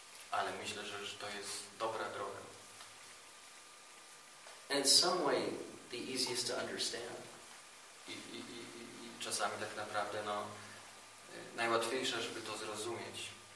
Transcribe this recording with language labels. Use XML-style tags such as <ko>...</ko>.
<pl>Ale myślę, że to jest dobra droga.</pl> <en>And in some way, the easiest to understand.</en> <pl>I czasami tak naprawdę, najłatwiejsze, żeby to zrozumieć.</pl>